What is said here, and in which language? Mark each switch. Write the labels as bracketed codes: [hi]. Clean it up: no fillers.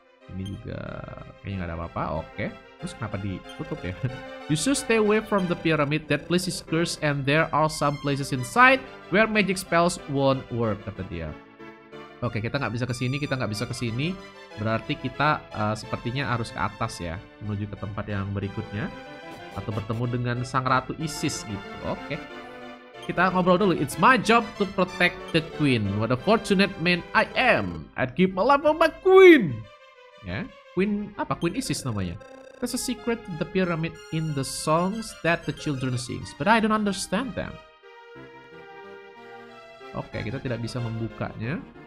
[id] Ini juga kayaknya nggak ada apa-apa. Oke. Terus kenapa ditutup ya? [en] You should stay away from the pyramid. That place is cursed and there are some places inside where magic spells won't work, [id] kata dia. Oke, kita nggak bisa ke sini. Berarti kita sepertinya harus ke atas ya. Menuju ke tempat yang berikutnya. Atau bertemu dengan Sang Ratu Isis gitu. Oke. Kita ngobrol dulu. [en] It's my job to protect the queen. What a fortunate man I am. I'd give my life for my queen. [id] Ya, Queen apa? Queen Isis namanya. [en] There's a secret to the pyramid in the songs that the children sings, but I don't understand them. [id] Oke, kita tidak bisa membukanya.